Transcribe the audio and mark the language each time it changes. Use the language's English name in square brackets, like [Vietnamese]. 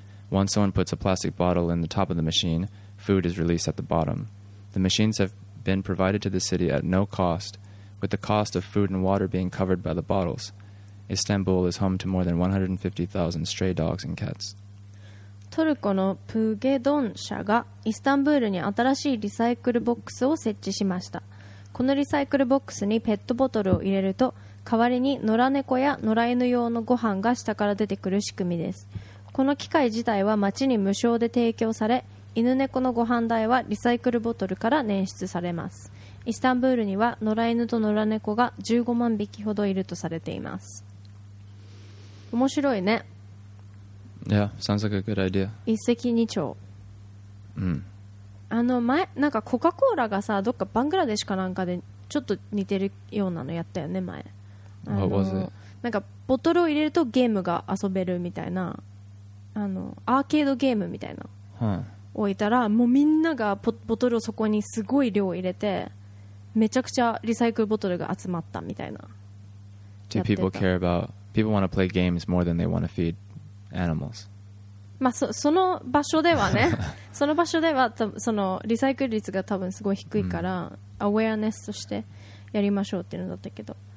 [English] Once someone puts a plastic bottle in the top of the machine, food is released at the bottom. The machines have been provided to the city at no cost, with the cost of food and water being covered by the bottles. Istanbul is home to more than 150,000 stray dogs and cats. [Japanese] トルコのプゲドン社がイスタンブールに新しいリサイクルボックスを設置しました。このリサイクルボックスにペットボトルを入れると、代わりに野良猫や野良犬用のご飯が下から出てくる仕組みです。この機械自体は町に無償で提供され、犬猫のご飯代はリサイクルボトルから捻出されます。イスタンブールには野良犬と野良猫が15万匹ほどいるとされています。面白いね。 [English] Yeah, sounds like a good idea. [Japanese] 一石二鳥。あの前なんかコカコーラがさどっかバングラデシュかなんかでちょっと似てるようなのやったよね前。 [English] What was it? [Japanese] なんかボトルを入れるとゲームが遊べるみたいなあのアーケードゲームみたいな。置いたらもうみんながボトルをそこにすごい量入れてめちゃくちゃリサイクルボトルが集まったみたいな。 [English] Do people care about people want to play games more than they want to feed animals? [Japanese] まあその場所ではね、その場所ではそのリサイクル率が多分すごい低いから、アウェアネスとしてやりましょうっていうのだったけど。